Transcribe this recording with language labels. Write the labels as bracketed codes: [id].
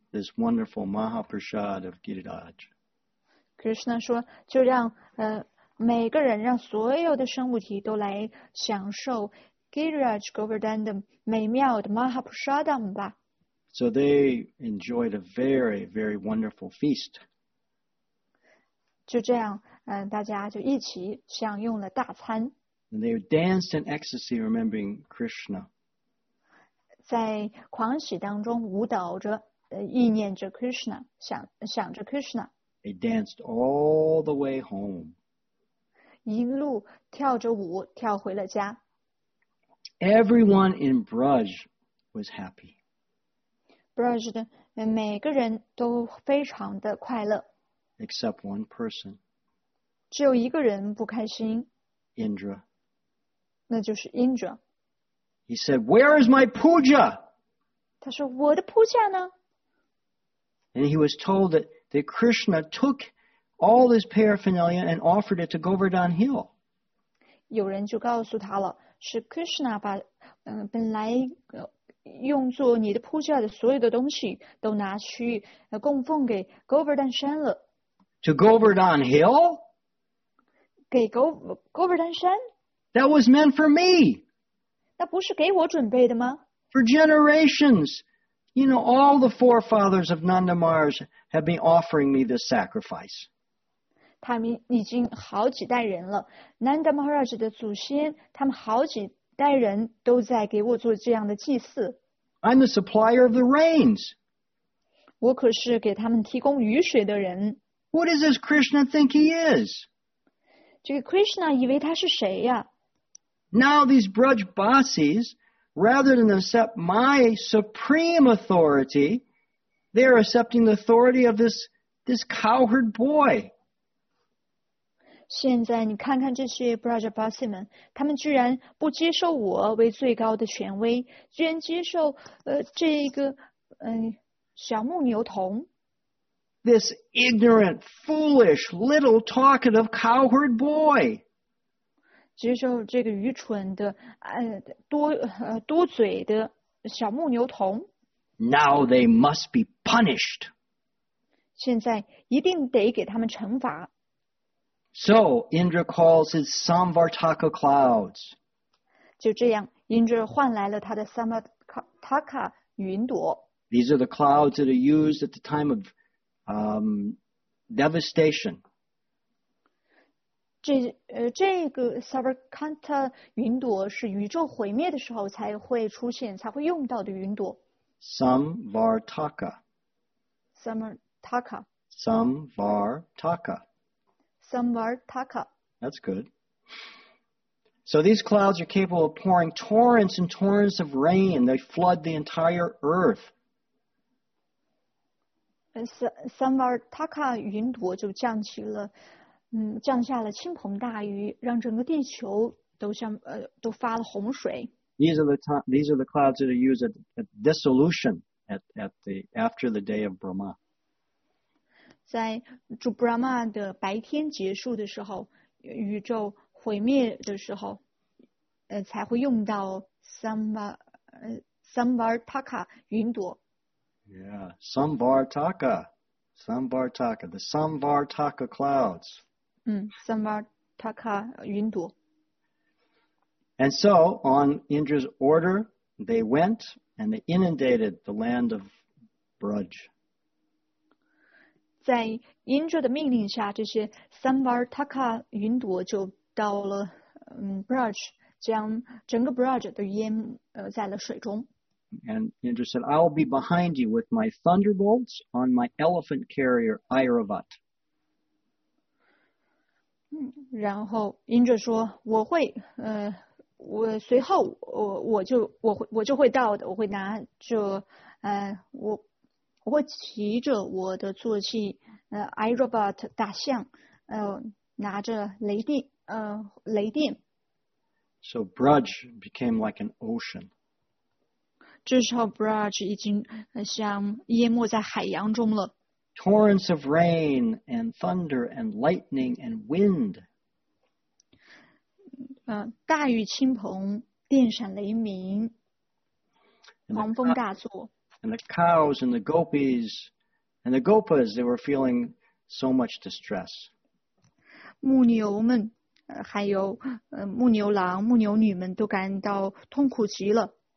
[en] This wonderful Mahaprasad of Giriraj. [zh] Krishna 说，就让每个人，让所有的生物体都来享受 Giriraj Govardhan 的美妙的 Mahaprasadam 吧。 [en] So they enjoyed a very, very wonderful feast. [zh] 就这样，大家就一起享用了大餐。 [en] And they danced in ecstasy, remembering Krishna. [zh] 在狂喜当中舞蹈着。意念着 Krishna, 想着 Krishna. [en] They danced all the way home. [zh] 一路跳着舞跳回了家。 [en] Everyone in Braj was happy. [zh] Braj 的每个人都非常的快乐。 [en] Except one person. [zh] 只有一个人不开心。 [en] Indra. [zh] 那就是 Indra. [en] He said, "Where is my puja?" [zh] 他说，我的 puja 呢？ [en] And he was told that Krishna took all this paraphernalia and offered it to Govardhan Hill. [zh] 有人就告诉他了，是 Krishna 把本来用作你的 puja 的所有的东西都拿去供奉给 Govardhan Shan 了。 [en] To Govardhan Hill? [zh] 给 Govardhan Shan? [en] That was meant for me. [zh] 那不是给我准备的吗？ [en] For generations. You know, all the forefathers of Nandamars have been offering me this sacrifice. [zh] 他们已经好几代人了。 Nandamaraj 的祖先，他们好几代人都在给我做这样的祭祀。 [en] I'm the supplier of the rains. [zh] 我可是给他们提供雨水的人。 [en] What does this Krishna think he is? [zh] 这个 Krishna 以为他是谁呀？ [en] Now these Brajbasis... Rather than accept my supreme authority, they are accepting the authority of this cowherd boy. [zh] 现在你看看这些 Brajabasi 们，他们居然不接受我为最高的权威，居然接受这一个小牧牛童。 [en] This ignorant, foolish, little talkative cowherd boy. [zh] 接受这个愚蠢的多嘴的小牧牛童。 [en] Now they must be punished. [zh] 现在一定得给他们惩罚。 [en] So Indra calls his Samvartaka clouds. [zh] 就这样 ,Indra 换来了他的 Samvartaka 云朵。 [en] These are the clouds that are used at the time of, devastation. [zh] 这个 Samvartaka 云朵是宇宙毁灭的时候才会出现才会用到的云朵。 [en] Samvartaka. Samvartaka. Samvartaka. Samvartaka. That's good. So these clouds are capable of pouring torrents and torrents of rain. They flood the entire earth. [zh] Samvartaka 云朵就降起了，降下了倾盆大雨，让整个地球都像都发了洪水。 [en] These are the clouds that are used at dissolution after the day of Brahma. [zh] 在主 Brahma 的白天结束的时候，宇宙毁灭的时候，才会用到 Samvartaka 云朵。 [en] Yeah, Samvartaka, the Samvartaka clouds. [zh] Samvartaka 云朵。 [en] And so, on Indra's order, they went and they inundated the land of Braj. [zh] 在 Indra 的命令下，这些 Samvartaka 云朵就到了Braj， 将整个 Braj 都淹在了水中。 [en] And Indra said, I will be behind you with my thunderbolts on my elephant carrier, Airavat. [zh] 然后 Indra 说，我会我随后我就会到的，我会拿着我会骑着我的坐骑Airavat 大象拿着雷电。 [en] So Braj became like an ocean. [zh] 这时候 Braj 已经像淹没在海洋中了。 [en] Torrents of rain and thunder and lightning and wind. [zh] 大雨倾盆，电闪雷鸣，狂风大作。 [en] And the cows and the gopis and the gopas, they were feeling so much distress. [zh] 牧牛们，还有牧牛郎、牧牛女们都感到痛苦极了。